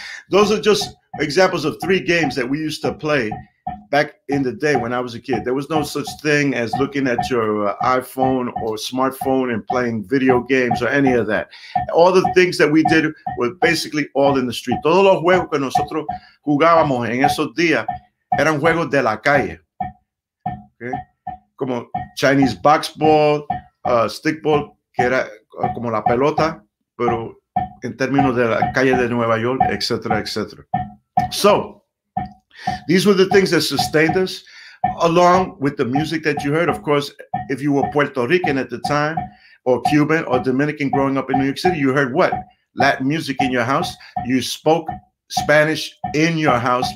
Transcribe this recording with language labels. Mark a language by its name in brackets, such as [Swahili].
[English] Those are just examples of three games that we used to play back in the day when I was a kid. There was no such thing as looking at your iPhone or smartphone and playing video games or any of that. All the things that we did were basically all in the street. [Spanish] Todos los juegos que nosotros jugábamos en esos días eran juegos de la calle. Okay? Como Chinese box ball, stickball, que era como la pelota, pero en términos de la calle de Nueva York, etc., etc. [English] So, these were the things that sustained us, along with the music that you heard. Of course, if you were Puerto Rican at the time, or Cuban, or Dominican growing up in New York City, you heard what? Latin music in your house. You spoke Spanish in your house.